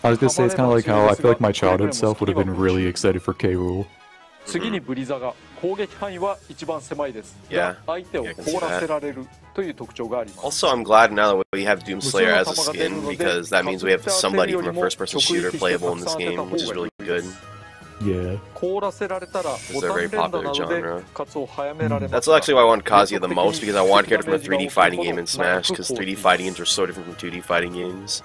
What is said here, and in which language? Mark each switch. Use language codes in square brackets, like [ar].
[en] I was gonna say, it's kind of like how I feel like my childhood self would have been really excited for K.O. [ja] 次にブリザが攻撃範囲は一番狭いです。 [en] Yeah. [ja] 相手を凍らせられるという特徴があります。 [en] Also, I'm glad now that we have Doom Slayer as a skin because that means we have somebody from a first-person shooter playable in this game, which is really good. Yeah. That's actually why I want Kazuya the most, because I want a character from a 3D fighting game in Smash, because 3D fighting games are so different from 2D fighting games.